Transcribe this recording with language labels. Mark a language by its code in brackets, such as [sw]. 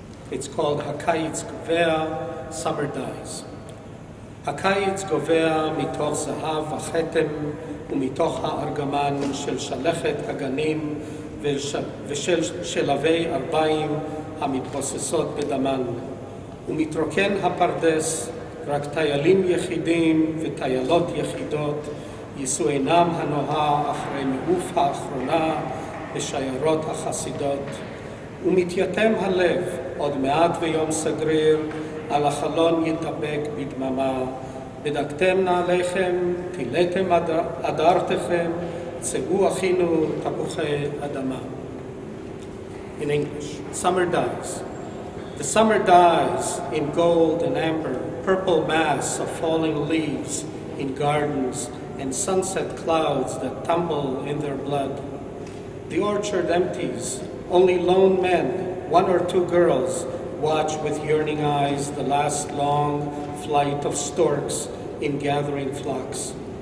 [en] It's called Hakayitz Gvea, Summer Dies. [he] Hakayitz Gvea mitoch zahav achetem umitoch ha'argaman shel shalechet haganim ושל שלבי ארבעים המתבוססות בדמן. ומתרוקן הפרדס, רק טיילים יחידים וטיילות יחידות יישאו עינם הנוהה אחרי מעוף האחרונה בשיירות החסידות. ומתייתם הלב, עוד מעט ויום סגריר, על החלון יתאבק בדממה. בדקתם נעליכם, טילאתם אדרתכם, צגו אחינו תפוחי אדמה. [en] In English, summer dies. The summer dies in gold and amber, purple mass of falling leaves in gardens, and sunset clouds that tumble in their blood. The orchard empties. Only lone men, one or two girls, watch with yearning eyes the last long flight of storks in gathering flocks.